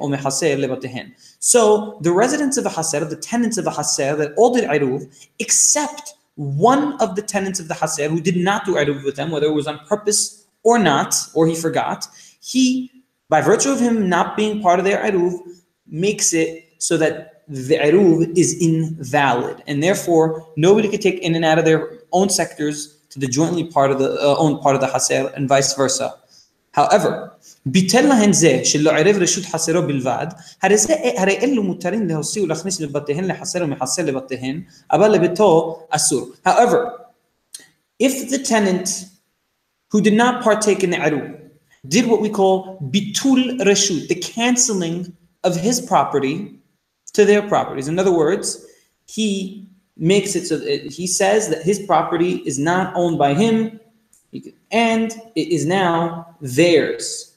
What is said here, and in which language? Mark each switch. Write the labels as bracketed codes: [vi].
[en] So the residents of a haser, the tenants of a haser, that all did eruv, except one of the tenants of the haser who did not do eruv with them, whether it was on purpose or not, or he forgot, he, by virtue of him not being part of their eruv, makes it so that the eruv is invalid, and therefore nobody could take in and out of their own sectors to the jointly part of the own part of the haser, and vice versa. [he] However, ביטל להן זה שלא ערב רשות חסרו בלבד, הרי אלו מותרים להוסיף ולהכניס לבתיהן לחסר ומחסר לבתיהן, אבל לביתו אסור. [en] However, if the tenant who did not partake in the Eruv did what we call ביטול רשות, the canceling of his property to their properties. In other words, he makes it so that he says that his property is not owned by him, and it is now theirs.